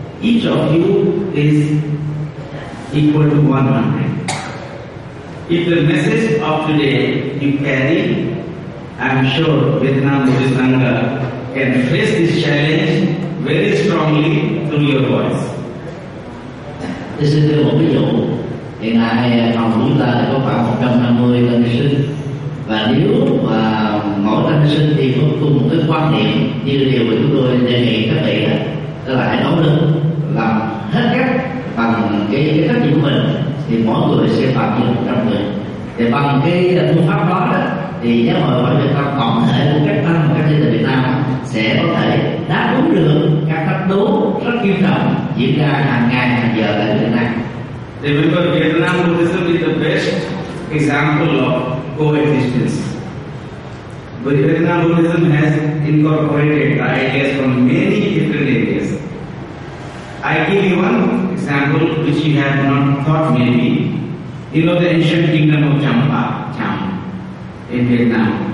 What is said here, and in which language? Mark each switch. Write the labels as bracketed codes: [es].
[en] Each of you is equal to 100. If the message of today you carry, I'm sure Vietnam Buddhist Sangha can face this challenge very strongly through your voice. This is just one example. [vi] Hiện nay chúng ta có khoảng 150 tăng sinh. Và nếu mà mỗi tăng sinh thì có cùng một cái quan niệm như điều mà chúng tôi đề nghị các vị đó, tức là hãy nỗ lực làm hết cách bằng cái trách nhiệm của mình thì mỗi người sẽ phạm như 100 người. Thì bằng cái phương pháp đó thì giáo hội Phật giáo tổng thể của các tăng và các gia đình Việt Nam sẽ có thể đáp ứng được các thách đố rất nghiêm trọng diễn ra hàng ngày hàng giờ tại Việt Nam. Thì bây giờ Việt Nam cũng sẽ là [en] the best example of coexistence. Vietnam Buddhism has incorporated the ideas from many different areas. I give you one example which you have not thought maybe. You know the ancient kingdom of Champa, Cham, in Vietnam.